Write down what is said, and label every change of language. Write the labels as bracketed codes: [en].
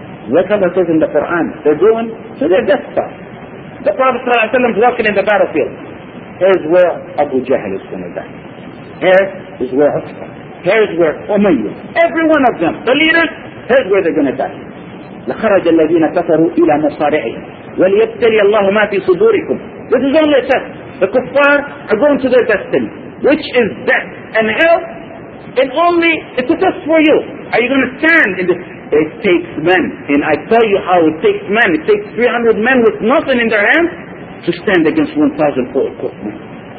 [en] Look how it says in the Quran. They're going to their death spot. The Prophet ﷺ is walking in the battlefield. Here's where Abu Jahl is going to die. Here is where Utsba. Here's where Umayyah. Every one of them, the leaders, here's where they're going to die. [ar] لخرج الذين كفروا إلى مصارعهم وليبتلي الله ما في صدوركم. [en] This is only a test. The kuffar are going to their destiny, which is death and hell. And only, it's a test for you. Are you going to stand in this? It takes men. And I tell you how it takes men. It takes 300 men with nothing in their hands to stand against 1,000 foot men.